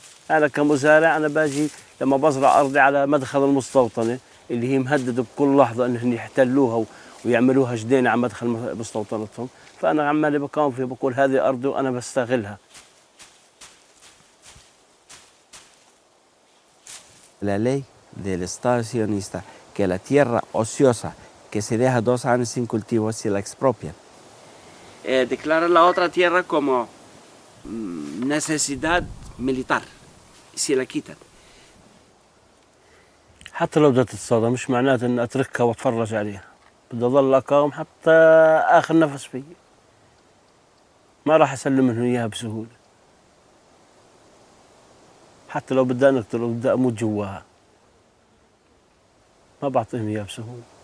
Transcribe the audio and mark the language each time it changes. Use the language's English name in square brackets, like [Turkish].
[Arabic] أنا كمزارع أنا باجي لما بزرع أرضي على مدخل المستوطنة اللي هي مهددة بكل لحظة أنهم يحتلوها ويعملوها جدينة على مدخل مستوطنتهم، فأنا عمالي بقاوم فيها، بقول هذه أرضي وأنا بستغلها. [Spanish] La ley del Estado sionista, que la tierra ociosa que se deja 2 años sin cultivo se la expropia. Declara la otra tierra como necesidad militar, se la quitan. [Arabic] حتى لو بدها تتصدم مش معناته ان اتركها واتفرج عليها، بدي اضل اقاوم حتى اخر نفس في. ما راح اسلم منهم اياها بسهوله. حتى لو بدي نقتل وبدي اموت جواها ما بعطيهم اياه بسهوله.